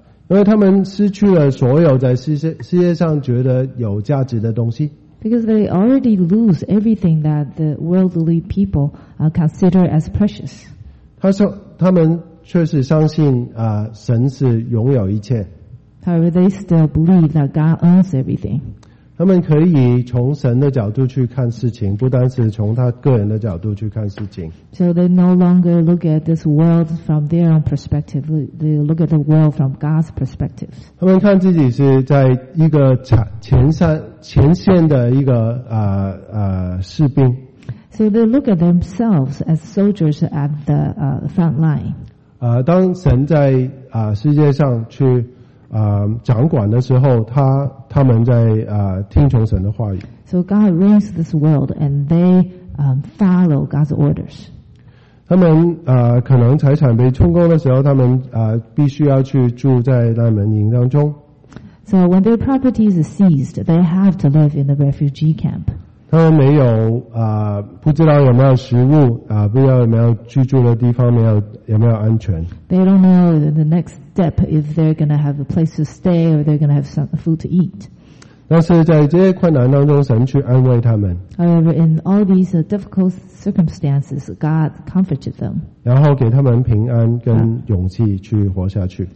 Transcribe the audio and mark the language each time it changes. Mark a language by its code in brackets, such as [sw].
[zh] 因为他们失去了所有在世界上觉得有价值的东西。 [en] Because they already lose everything that the worldly people consider as precious. [zh] 他们确实相信神是拥有一切。 [en] However, they still believe that God owns everything. [zh] 他们可以从神的角度去看事情，不单是从他个人的角度去看事情。 [en] So they no longer look at this world from their own perspective. They look at the world from God's perspective. [zh] 他们看自己是在一个前线的一个士兵。 [en] So they look at themselves as soldiers at the front line. [zh] 当神在世界上去掌管的时候，他们在听从神的话语。 [en] So God reigns this world, and they follow God's orders. [zh] 他们可能财产被充公的时候，他们必须要去住在难民营当中。 [en] So when their property is seized, they have to live in the refugee camp. [zh] 他们没有不知道有没有食物不知道有没有居住的地方，有没有安全。 [en] They don't know the next. Step if they're going to have a place to stay or they're going to have some food to eat. [zh] 但是在这些困难当中，神去安慰他们。 [en] However, in all these difficult circumstances, God comforted them. [zh] 然后给他们平安跟勇气去活下去。